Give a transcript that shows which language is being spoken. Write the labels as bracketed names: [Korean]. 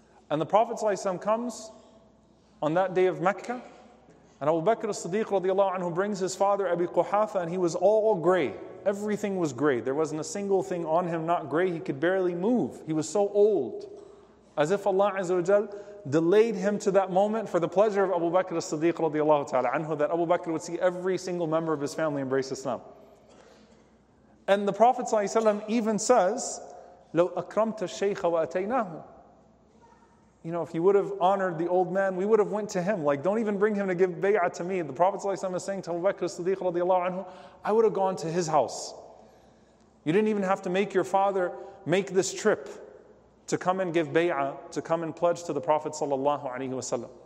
[English] And the Prophet ﷺ comes on that day of Mecca, and Abu Bakr as-Siddiq radiallahu anhu brings his father Abi Quhafa, and he was all gray. Everything was gray. There wasn't a single thing on him not gray. He could barely move. He was so old. As if Allah Azza wa Jal delayed him to that moment for the pleasure of Abu Bakr as-Siddiq radiallahu ta'ala anhu, that Abu Bakr would see every single member of his family embrace Islam. And the Prophet ﷺ even says, [Arabic] لو أكرمت الشيخ وأتيناه. [English] You know, if you would have honored the old man, we would have went to him. Like, don't even bring him to give bay'ah to me. The Prophet ﷺ is saying to Abu Bakr as-Siddiq radiallahu anhu, I would have gone to his house. You didn't even have to make your father make this trip to come and give bay'ah, to come and pledge to the Prophet sallallahu alaihi wasallam.